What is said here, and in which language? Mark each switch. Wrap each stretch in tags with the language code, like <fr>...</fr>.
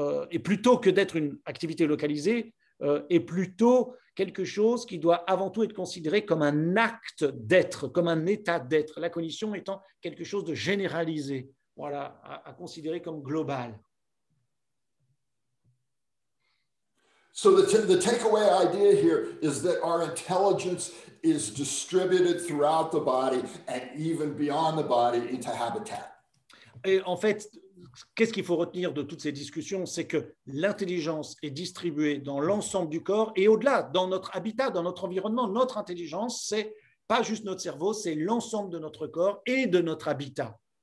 <fr>Et plutôt que d'être une activité localisée, est plutôt quelque chose qui doit avant tout être considéré comme un acte d'être, comme un état d'être, la cognition étant quelque chose de généralisé, voilà, à considérer comme global.</fr> <en>So the takeaway idea here is that our intelligence is distributed throughout the body and even beyond the body into habitat.</en> <fr>Et en fait, qu'est-ce qu'il faut retenir de toutes ces discussions? C'est que l'intelligence est distribuée dans l'ensemble du corps et au-delà, dans notre habitat, dans notre environnement. Notre intelligence, ce n'est pas juste notre cerveau, c'est l'ensemble de notre corps et de notre habitat.</fr>